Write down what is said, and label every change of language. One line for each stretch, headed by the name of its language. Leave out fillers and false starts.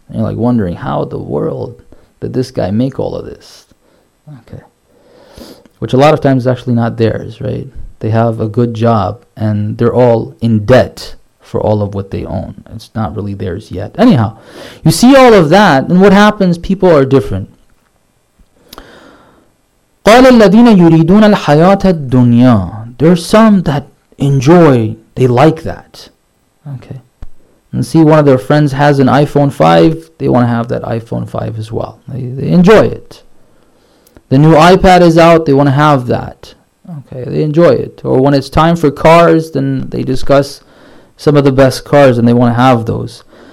English: And you're like wondering, how in the world did this guy make all of this? Okay. Which a lot of times is actually not theirs, right? They have a good job and they're all in debt for all of what they own. It's not really theirs yet. Anyhow, you see all of that, and what happens? People are different.
Arabic: قال الذين يريدون الحياة الدنيا.
English: There are some that enjoy, they like that. Okay. And see, one of their friends has an iPhone 5, they want to have that iPhone 5 as well. They enjoy it. The new iPad is out, they want to have that. Okay, they enjoy it. Or when it's time for cars, then they discuss some of the best cars and they want to have those.